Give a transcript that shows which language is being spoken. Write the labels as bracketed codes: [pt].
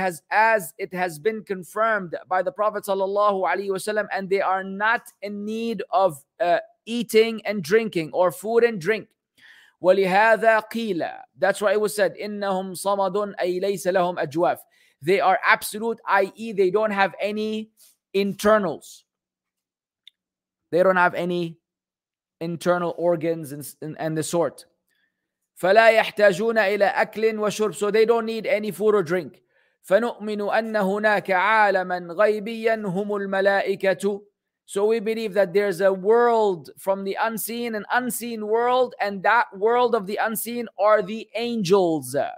[en] As it has been confirmed by the Prophet صلى الله عليه وسلم, and they are not in need of eating and drinking or food and drink. [ar] ولهذا قيل, [en] that's why it was said, [ar] إنهم صمد أي ليس لهم أجواف. [en] They are absolute, i.e. they don't have any internals. They don't have any internal organs and the sort. [ar] فلا يحتاجون إلى أكل وشرب. [en] So they don't need any food or drink. [ar] فنؤمن أن هناك عالما غيبيا هم الملائكة. [en] So we believe that there's a world from the unseen, an unseen world, and that world of the unseen are the angels.